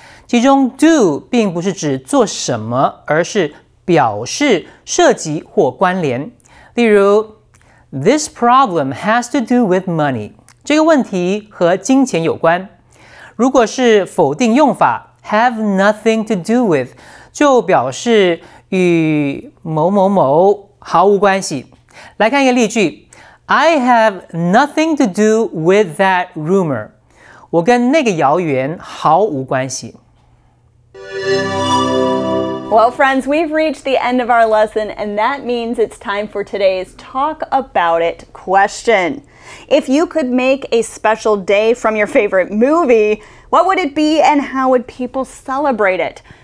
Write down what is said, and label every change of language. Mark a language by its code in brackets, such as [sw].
[zh] 其中 do 并不是指做什么，而是表示涉及或关联。例如 [en] ，This problem has to do with money. [zh] 这个问题和金钱有关。如果是否定用法 ， [en] have nothing to do with， [zh] 就表示与某某某毫无关系。来看一个例句 [en] ：I have nothing to do with that rumor。 [zh] 我跟那个谣言毫无关系。 [en] Well, friends, we've reached the end of our lesson, and that means it's time for today's Talk About It question. If you could make a special day from your favorite movie, what would it be and how would people celebrate it?